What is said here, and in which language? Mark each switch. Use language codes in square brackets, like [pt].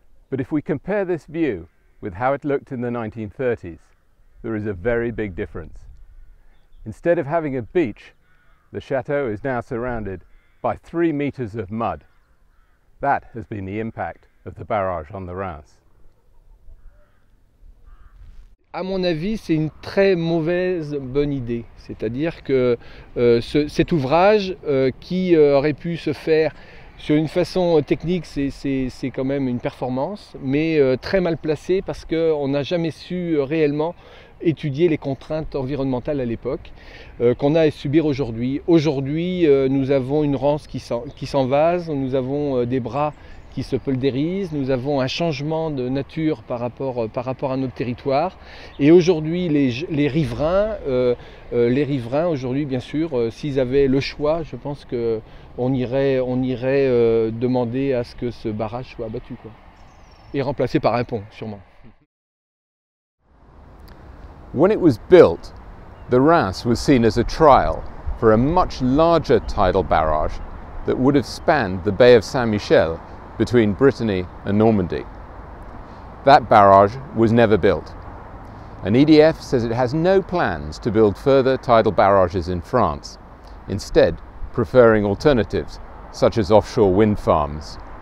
[en] But if we compare this view with how it looked in the 1930s, there is a very big difference. Instead of having a beach, the chateau is now surrounded by 3 meters of mud. That has been the impact of the barrage on the Rance. [fr] À mon avis, c'est une très mauvaise bonne idée. C'est-à-dire que cet ouvrage qui aurait pu se faire sur une façon technique, c'est quand même une performance, mais très mal placé parce qu'on n'a jamais su réellement étudier les contraintes environnementales à l'époque qu'on a à subir aujourd'hui. Aujourd'hui, nous avons une Rance qui s'envase, nous avons des bras qui se poldérise, nous avons un changement de nature par rapport à notre territoire. Et aujourd'hui, les riverains, aujourd'hui, bien sûr, s'ils avaient le choix, je pense qu'on irait, demander à ce que ce barrage soit abattu, quoi. Et remplacé par un pont, sûrement. [en] When it was built, the Rance was seen as a trial for a much larger tidal barrage that would have spanned the Bay of Saint-Michel between Brittany and Normandy. That barrage was never built. And EDF says it has no plans to build further tidal barrages in France, instead preferring alternatives such as offshore wind farms.